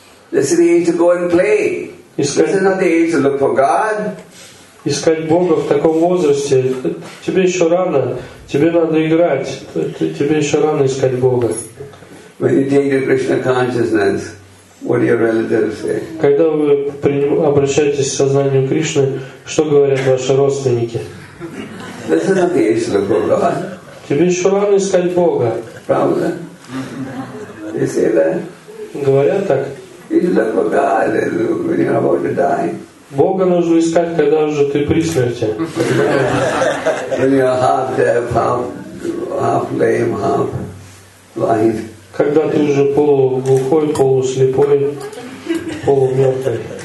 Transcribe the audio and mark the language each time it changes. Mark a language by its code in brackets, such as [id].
[en] This is the age to go and play. [ru] Искать... [en] This is not the age to look for God. [ru] Искать Бога в таком возрасте. Тебе еще рано. Тебе надо играть. Тебе еще рано искать Бога. [en] When you take the Krishna consciousness, what do your relatives say? [ru] Когда вы обращаетесь к сознанию Кришны, что говорят ваши родственники? [en] This is not the age to look for God. [ru] Тебе еще рано искать Бога. Правда? [en] You say that? [ru] Говорят так. [en] You look for God when you're about to die. [ru] Бога нужно искать, когда уже ты при смерти. [en] When you're half deaf, half lame, half blind. [ru] Когда ты уже полуглухой, полуслепой, полумертвый.